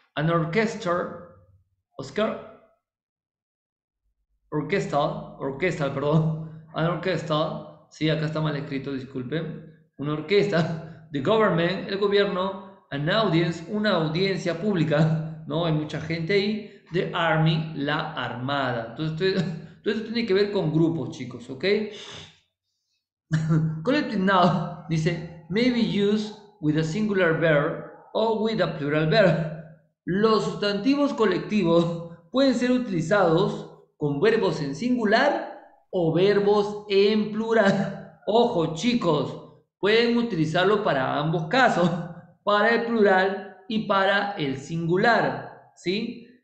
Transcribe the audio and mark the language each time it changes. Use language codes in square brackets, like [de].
[en] An orchestra, [es] Oscar, orquestal, perdón, an orquestal, sí, acá está mal escrito, disculpen. Una orquesta, [en] the government, [es] el gobierno, [en] an audience, [es] una audiencia pública, ¿no? Hay mucha gente ahí. The Army, la Armada. Todo esto tiene que ver con grupos, chicos, ¿ok? [en] Collective noun dice, may be used with a singular verb o with a plural verb. [es] Los sustantivos colectivos pueden ser utilizados con verbos en singular o verbos en plural. Ojo, chicos, pueden utilizarlo para ambos casos, para el plural y para el singular, ¿sí?